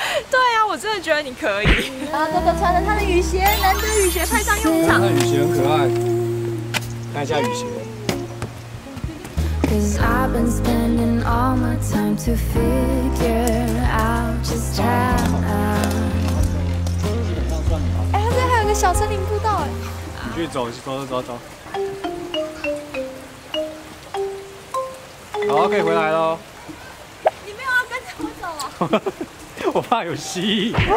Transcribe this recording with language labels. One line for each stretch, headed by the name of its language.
Chinese: 对啊，我真的觉得你可以。啊，这个穿着他的雨鞋，难得雨鞋派上用场。那雨鞋很可爱，看一下雨鞋。
English: Cause I've been spending all my time to figure out just how.
Chinese: 哎，它这还有个小森林步道哎。你去走，去走，走走走。好，可以回来喽。你没有要跟着我走啊？我怕有蜥蜴。